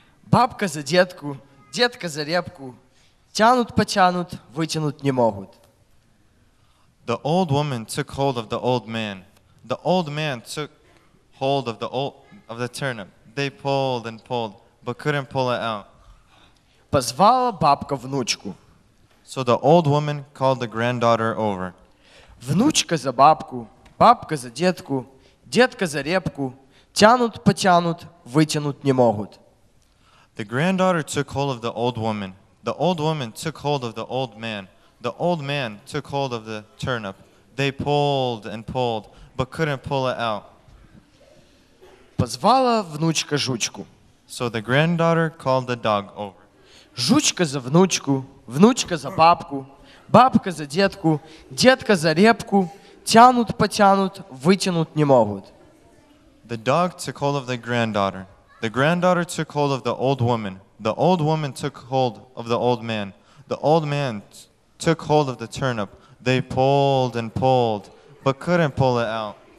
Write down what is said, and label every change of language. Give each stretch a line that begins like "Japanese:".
Russian: Бабка за детку, детка за репку, тянут-потянут, вытянуть не могут.
English: The old woman took hold of the old man. The old man took hold of the turnip. They pulled and pulled, but couldn't pull it out.
Russian: Позвала бабка внучку.
English: So the old woman called the granddaughter over.
Russian: Внучка за бабку, бабка за детку, детка за репку, тянут-потянут, вытянуть не могут.
English: The granddaughter took hold of the old woman. The old woman took hold of the old man. The old man took hold of the turnip. They pulled and pulled, but couldn't pull it out.
Russian: Позвала внучка жучку.
English: So the granddaughter called the dog over.
Russian: Жучка за внучку, внучка за бабку, бабка за детку, детка за репку, тянут, потянут, вытянут не могут.
English: The dog took hold of the granddaughter. The granddaughter took hold of the old woman. The old woman took hold of the old man. The old man took hold of the turnip. They pulled and pulled, but couldn't pull it out.